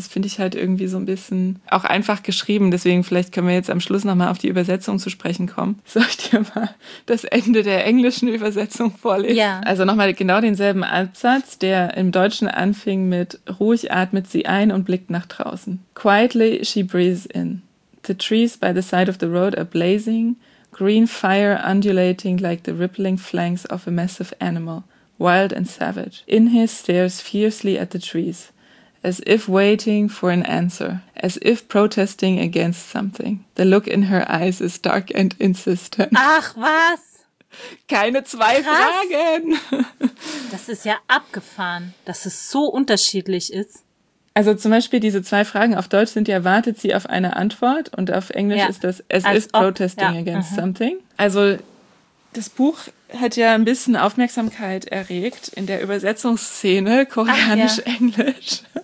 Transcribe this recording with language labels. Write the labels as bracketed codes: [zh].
[de] Das finde ich halt irgendwie so ein bisschen auch einfach geschrieben. Deswegen vielleicht können wir jetzt am Schluss nochmal auf die Übersetzung zu sprechen kommen. Soll ich dir mal das Ende der englischen Übersetzung vorlesen? Ja. Also nochmal genau denselben Absatz, der im Deutschen anfing mit ruhig atmet sie ein und blickt nach draußen. [en] Quietly she breathes in. The trees by the side of the road are blazing. Green fire undulating like the rippling flanks of a massive animal. Wild and savage. Inhe stares fiercely at the trees, as if waiting for an answer, as if protesting against something. The look in her eyes is dark and insistent. [de] Ach, was? Keine zwei Fragen. Das ist ja abgefahren, dass es so unterschiedlich ist. Also zum Beispiel diese zwei Fragen auf Deutsch sind ja, wartet sie auf eine Antwort? Und auf Englisch ist das, [en] as if protesting against something. [de] Also das Buch hat ja ein bisschen Aufmerksamkeit erregt in der Übersetzungsszene, koreanisch-englisch.